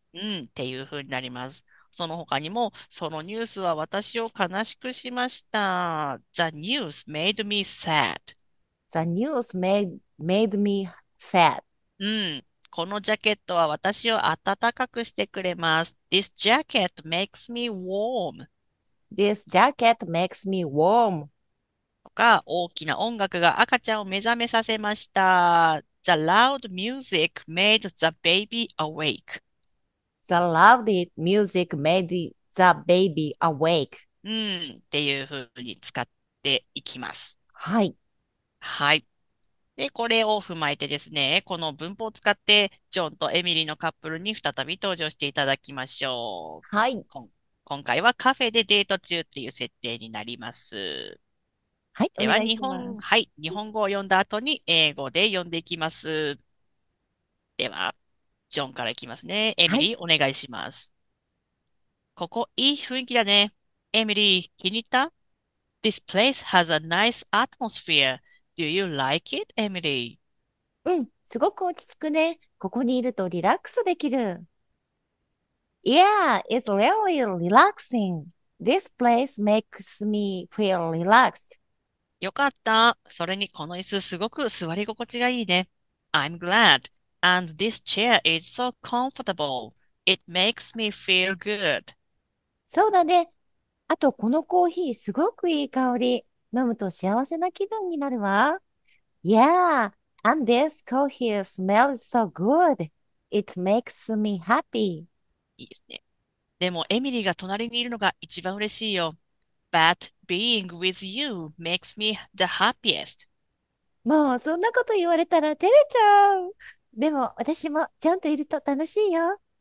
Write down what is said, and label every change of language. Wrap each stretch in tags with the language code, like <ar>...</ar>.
<ja>うん、っていう風になります。その他にも、そのニュースは私を悲しくしました。</ja> <en>The news made me sad. The news made me sad. うん。</en> <ja>このジャケットは私を暖かくしてくれます。</ja> <en>This jacket makes me warm. This jacket makes me warm.</en> <ja>とか、大きな音楽が赤ちゃんを目覚めさせました。</ja> <en>The loud music made the baby awake. The loud music made the baby awake、</en> <ja>うん、っていう風に使っていきます。はいはい、でこれを踏まえてですね、この文法を使ってジョンとエミリーのカップルに再び登場していただきましょう。はい、今回はカフェでデート中っていう設定になります。はい、では日本、はい、日本語を読んだ後に英語で読んでいきます。ではジョンからいきますね。エミリー、はい、お願いします。ここいい雰囲気だね。エミリー気に入った？</ja> <en>This place has a nice atmosphere. Do you like it, エミリー？</en> <ja>うん、すごく落ち着くね。ここにいるとリラックスできる。</ja> <en>Yeah, it's really relaxing. This place makes me feel relaxed.</en> <ja>よかった。それにこの椅子すごく座り心地がいいね。</ja> <en>I'm gladAnd this chair is so comfortable. It makes me feel good.</en> <ja>そうだね。あとこのコーヒーすごくいい香り。飲むと幸せな気分になるわ。</ja> <en>Yeah, and this coffee smells so good. It makes me happy.</en> <ja>いいですね。でもエミリーが隣にいるのが一番嬉しいよ。 But being with you makes me the happiest. もうそんなこと言われたら照れちゃう。でも私もちゃんといると楽しいよ。</ja>